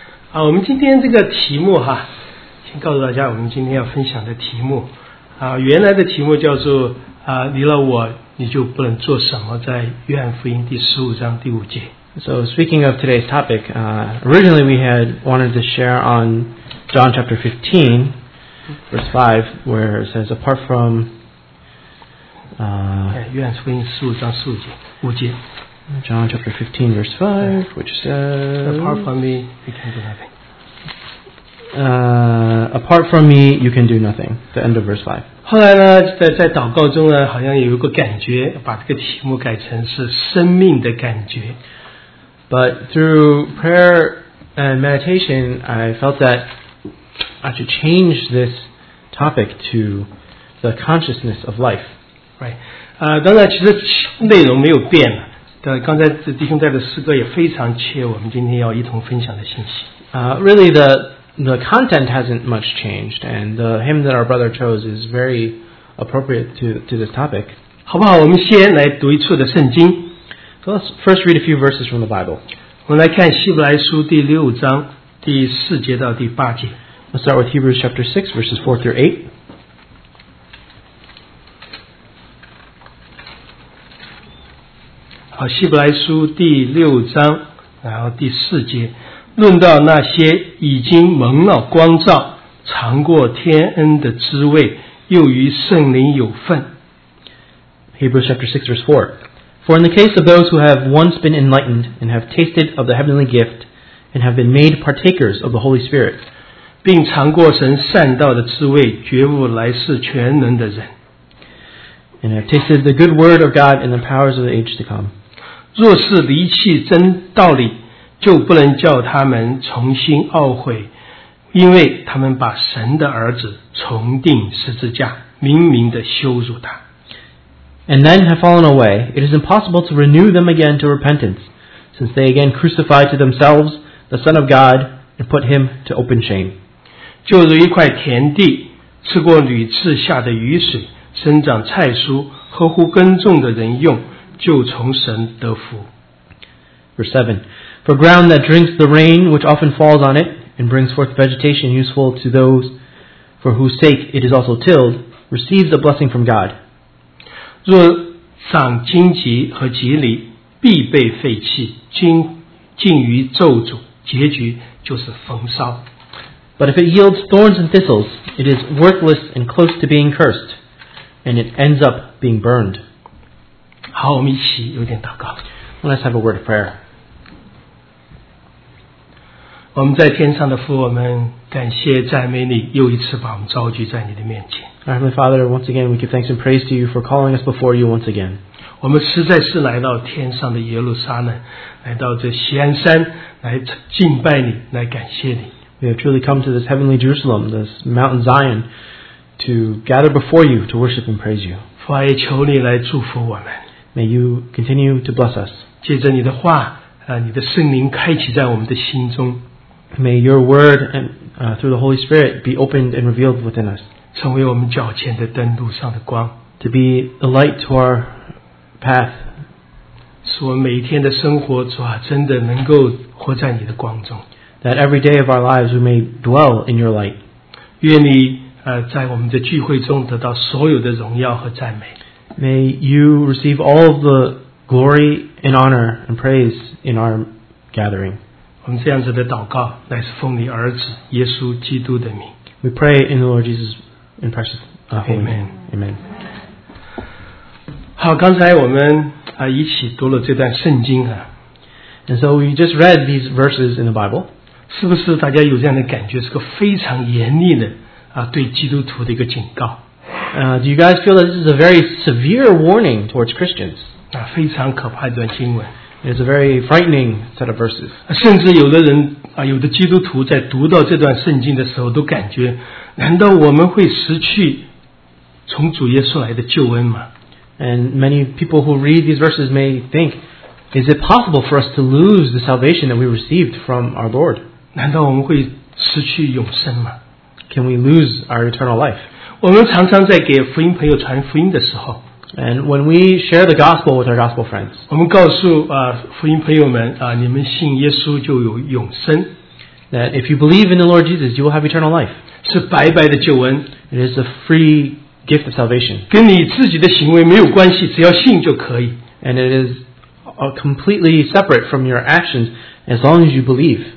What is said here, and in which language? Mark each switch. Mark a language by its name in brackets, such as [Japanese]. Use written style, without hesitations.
[Chinese] 啊，我们今天这个题目哈，先告诉大家，我们今天要分享的题目啊，原来的题目叫做啊，离了我，你就不能做什么，在约翰福音第十五章第五节。 [English] So speaking of today's topic, originally we had wanted to share on John chapter 15, verse 5, where it says, apart from. [Chinese] 约翰福音十五章十五节，五节。 [English] John chapter 15 verse 5, which says, apart from me, you can do nothing. Apart from me, you can do nothing. The end of verse 5. [Chinese] 后来呢，在祷告中呢，好像有一个感觉，把这个题目改成是生命的感觉。 [English] But through prayer and meditation, I felt that I should change this topic to the consciousness of life. Right. [Chinese] 当然，其实内容没有变了。刚才弟兄带的诗歌也非常切我们今天要一同分享的信息。 [English] Really, the content hasn't much changed, and the hymn that our brother chose is very appropriate to this topic. [Chinese] 好不好？我们先来读一处的圣经。 [English] So let's first read a few verses from the Bible. [Chinese] 我们来看希伯来书第六章第四节到第八节。 [English] Let's start with Hebrews chapter 6, verses 4 through 8. [Chinese] 好，希伯来书第六章，然后第四节，论到那些已经蒙了光照，尝过天恩的滋味，又与圣灵有份。 [English] Hebrews chapter 6 verse 4. For in the case of those who have once been enlightened, and have tasted of the heavenly gift, and have been made partakers of the Holy Spirit, [Chinese] 并尝过神善道的滋味，觉悟来世全能的人。 [English] And have tasted the good word of God and the powers of the age to come. [Chinese] 若是离弃真道理，就不能叫他们重新懊悔，因为他们把神的儿子重钉十字架，明明的羞辱他。 [English] And then have fallen away, it is impossible to renew them again to repentance, since they again crucify to themselves the Son of God and put him to open shame. [Chinese] 就如一块田地，吃过屡次下的雨水。生长菜蔬，呵护耕种的人用，就从神得福。 [English] Verse 7. For ground that drinks the rain which often falls on it, and brings forth vegetation useful to those for whose sake it is also tilled, receives a blessing from God. [Chinese] 若长荆棘和棘藜，必被废弃，尽于咒诅，结局就是焚烧。 [English] But if it yields thorns and thistles, it is worthless and close to being cursed. And it ends up being burned. [Chinese] 好，我们一起有点祷告。 [English] Well, let's have a word of prayer. [Chinese] 我们在天上的父，我们感谢赞美你，又一次把我们召聚在你的面前。 [English] Our Heavenly Father, once again, we give thanks and praise to you for calling us before you once again. [Chinese] 我们实在是来到天上的耶路撒冷，来到这锡安山，来敬拜你，来感谢你。 [English] We have truly come to this heavenly Jerusalem, this Mount Zion. To gather before you to worship and praise you. [Chinese] 父啊，求你来祝福我们。 [English] May you continue to bless us. [Chinese] 借着你的话，你的圣灵开启在我们的心中。 [English] May your word and through the Holy Spirit be opened and revealed within us. [Chinese] 成为我们脚前的灯路上的光。 [English] To be a light to our path. [Chinese] 使我们每一天的生活，主啊，真的能够活在你的光中。 [English] That every day of our lives we may dwell in your light. [Chinese] 愿你在我们的聚会中得到所有的荣耀和赞美。 [English] May you receive all of the glory and honor and praise in our gathering. [Chinese] 我们这样子的祷告乃是奉你儿子耶稣基督的名。 [English] We pray in the Lord Jesus in precious holy name. Amen. [Chinese] 好，刚才我们一起读了这段圣经啊。 [English] And so we just read these verses in the Bible. [Chinese] 是不是大家有这样的感觉，是个非常严厉的？对基督徒的一个警告。 [English] Do you guys feel that this is a very severe warning towards Christians? [Chinese] 非常可怕一段经文。 [English] It's a very frightening set of verses. [Chinese] 甚至有的人有的基督徒在读到这段圣经的时候都感觉，难道我们会失去从主耶稣来的救恩吗？ [English] And many people who read these verses may think, is it possible for us to lose the salvation that we received from our Lord? [Chinese] 难道我们会失去永生吗？ [English] Can we lose our eternal life? [Chinese] 我们常常在给福音朋友传福音的时候 [English] And when we share the gospel with our gospel friends, [Chinese] 我们告诉, 福音朋友们, [English] that if you believe in the Lord Jesus, you will have eternal life. It is a free gift of salvation. And it is completely separate from your actions as long as you believe.